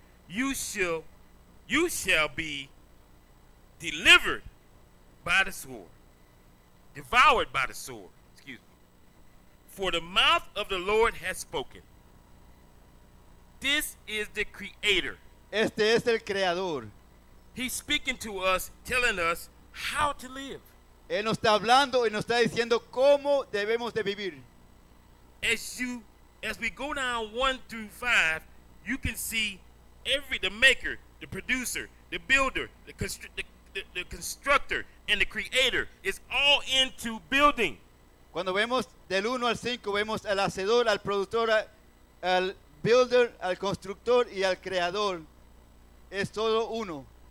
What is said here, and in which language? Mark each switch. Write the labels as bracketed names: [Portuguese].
[English] You shall be delivered by the sword, devoured by the sword, excuse me. For the mouth of the Lord has spoken." This is the creator. [Spanish] Este es el creador. [English] He's speaking to us, telling us how to live. [Spanish] Él nos está hablando y nos está diciendo cómo debemos de vivir. [English] As we go down 1 through 5, you can see the maker, the producer, the builder, the constructor, and the creator is all into building. [Spanish] Cuando vemos del 1 al 5, vemos al hacedor, al productor, al builder, al constructor y al creador. Es todo uno.